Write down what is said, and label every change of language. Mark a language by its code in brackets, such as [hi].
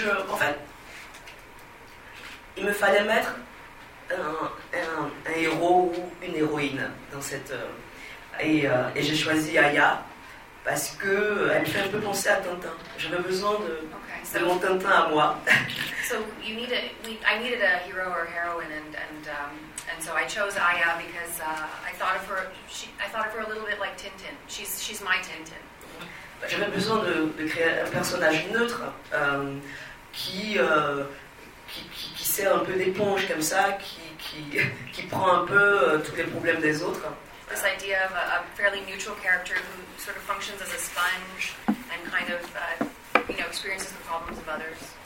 [fr] En fait, il me fallait mettre un héros ou une héroïne dans cette et j'ai choisi Aya parce que elle fait un peu penser à Tintin. J'avais besoin de mon Tintin à moi. [en] So you need I needed a hero or heroine and so I chose Aya because I thought of her a little bit like Tintin. She's my Tintin. [fr] J'avais besoin de créer un personnage neutre qui sert un peu d'éponge comme ça, qui prend un peu tous les problèmes des autres. [en] This idea of a fairly neutral character who sort of functions as a sponge and kind of you know experiences the problems of others.